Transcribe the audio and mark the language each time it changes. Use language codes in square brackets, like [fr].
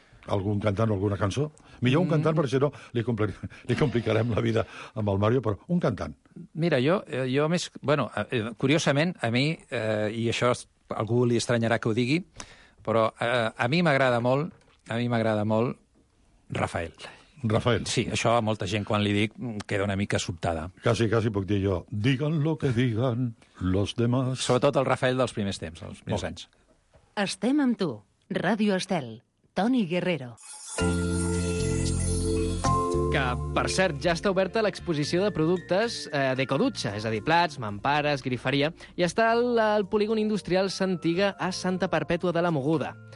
[ca] Algun cantant o alguna cançó? Millor un cantant, perquè si no li complicarem la vida amb el Mario, però un cantant. Mira, jo més... Bueno, curiosament, a mi, i això algú li estranyarà que ho digui, però a mi m'agrada molt Rafael. Rafael. Sí, això a molta gent, quan li dic, queda una mica sobtada. Quasi puc dir jo, [es] digan lo que digan los demás. [ca] Sobretot el Rafael dels primers temps, els primers anys. Estem amb tu, Ràdio Estel, Toni Guerrero. Que, per cert, ja està oberta l'exposició de productes d'ecodutxa, és a dir, plats, mampares, griferia, i està al polígon industrial Santiga a Santa Perpètua de la Moguda.